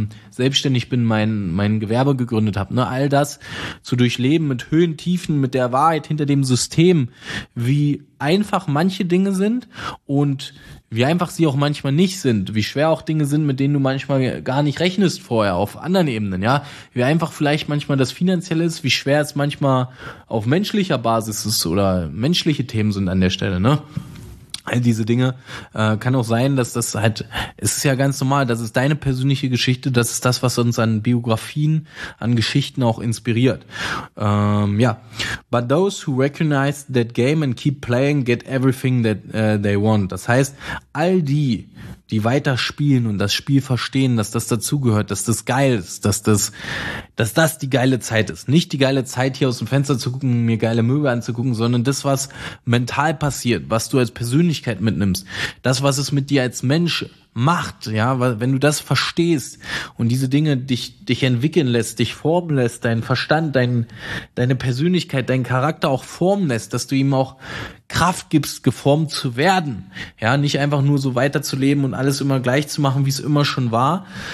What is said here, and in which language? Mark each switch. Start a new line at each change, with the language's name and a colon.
German: selbstständig bin, mein Gewerbe gegründet habe, ne, all das zu durchleben mit Höhen, Tiefen, mit der Wahrheit hinter dem System, wie einfach manche Dinge sind und wie einfach sie auch manchmal nicht sind, wie schwer auch Dinge sind, mit denen du manchmal gar nicht rechnest vorher auf anderen Ebenen, ja, wie einfach vielleicht manchmal das Finanzielle ist, wie schwer es manchmal auf menschlicher Basis ist oder menschliche Themen sind an der Stelle, ne? All diese Dinge, kann auch sein, dass das halt, es ist ja ganz normal, das ist deine persönliche Geschichte, das ist das, was uns an Biografien, an Geschichten auch inspiriert.
English: But those who recognize that game and keep playing get everything that they want.
German: Das heißt, all die, die weiter spielen und das Spiel verstehen, dass das dazugehört, dass das geil ist, dass das die geile Zeit ist. Nicht die geile Zeit, hier aus dem Fenster zu gucken, mir geile Möbel anzugucken, sondern das, was mental passiert, was du als Persönlichkeit mitnimmst, das, was es mit dir als Mensch macht, ja, wenn du das verstehst und diese Dinge dich entwickeln lässt, dich formen lässt, deinen Verstand, deine Persönlichkeit, deinen Charakter auch formen lässt, dass du ihm auch Kraft gibst, geformt zu werden, ja, nicht einfach nur so weiterzuleben und alles immer gleich zu machen, wie es immer schon war,